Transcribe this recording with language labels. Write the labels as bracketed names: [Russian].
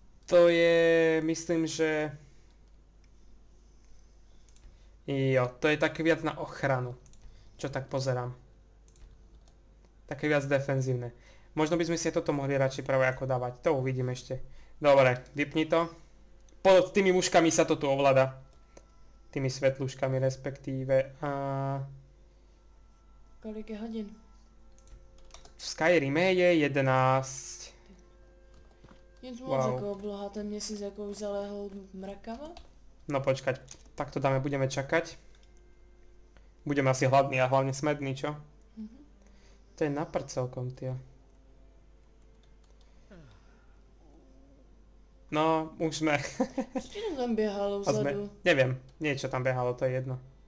[Slovak] To je, myslím, že... Jo, to je také viac na ochranu. Čo tak pozerám. Také viac defenzívne. Možno by sme si toto mohli radšej práve ako dávať. To uvidím ešte. Dobre, vypni to. pod tými muškami sa to tu ovláda. Tými svetluškami respektíve. A... [Czech] Kolik je hodin? [Slovak] V Skyrime je 11. [Czech] Nic moc, jako obloha, ten měsíc jako už zalehl mrakama. [Slovak] No počkať, tak to dáme, budeme čakať. Budeme asi hladný a [Czech] hlavně [Slovak] smedný, čo? [Czech] Mm-hmm. To je na prd celkom, tyjo. No, už jsme. [Slovak] Čo tam běhalo vzadu? Sme... [Czech] Nevím, něco tam běhalo, to je jedno.